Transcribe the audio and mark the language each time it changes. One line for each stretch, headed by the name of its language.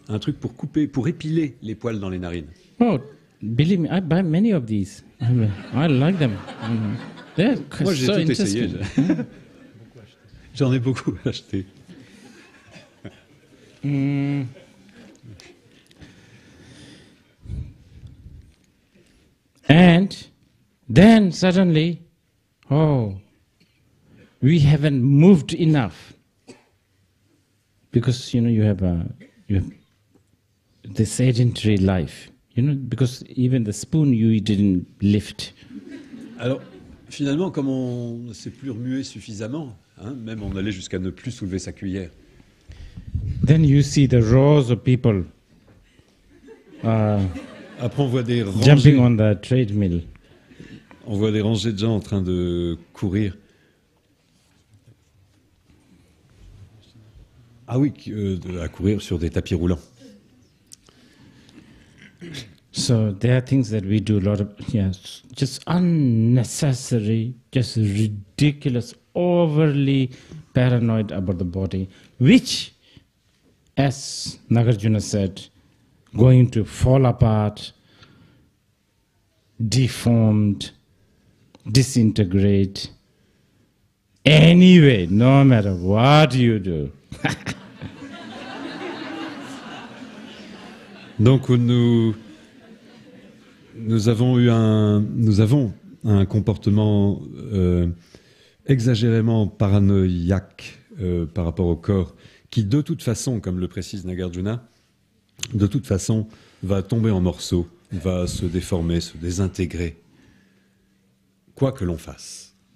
French: Un truc pour couper, pour épiler les poils dans les narines.
English: Oh, believe me, I buy many of these. I like them.
French: Moi, j'ai tout essayé. J'en ai beaucoup acheté.
English: And then suddenly, oh, we haven't moved enough. Because, you know, you have the sedentary life, you know, because even the spoon you didn't lift.
French: Alors, finalement, comme on ne s'est plus remué suffisamment, hein, même on allait jusqu'à ne plus soulever sa cuillère.
English: Then you see the rows of people.
French: Après, on voit des rangées.
English: Jumping on the treadmill.
French: On voit des rangées de gens en train de courir. Ah oui, à courir sur des tapis roulants.
English: So there are things that we do a lot of, yes, just unnecessary, just ridiculous, overly paranoid about the body, which, as Nagarjuna said, going to fall apart, deformed, disintegrate, anyway, no matter what you do.
French: Donc nous avons un comportement exagérément paranoïaque par rapport au corps qui de toute façon, comme le précise Nagarjuna, de toute façon va tomber en morceaux, va se déformer, se désintégrer, quoi que l'on fasse.